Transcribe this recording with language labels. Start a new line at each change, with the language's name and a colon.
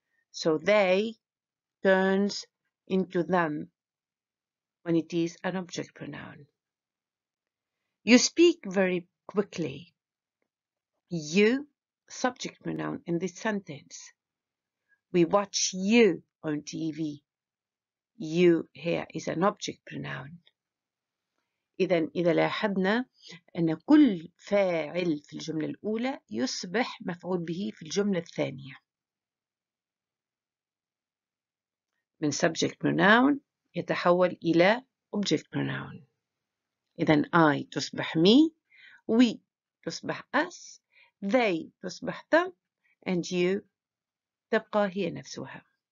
English: So they turns into them when it is an object pronoun. You speak very quickly. You, subject pronoun in this sentence. We watch you on TV. You here is an object pronoun.
Arabic: إذن إذا لاحظنا أن كل فاعل في الجملة الأولى يصبح مفعول به في الجملة الثانية. من subject pronoun يتحول إلى object pronoun. إذن I تصبح me, we تصبح us, they تصبح them, and you تبقى هي نفسها.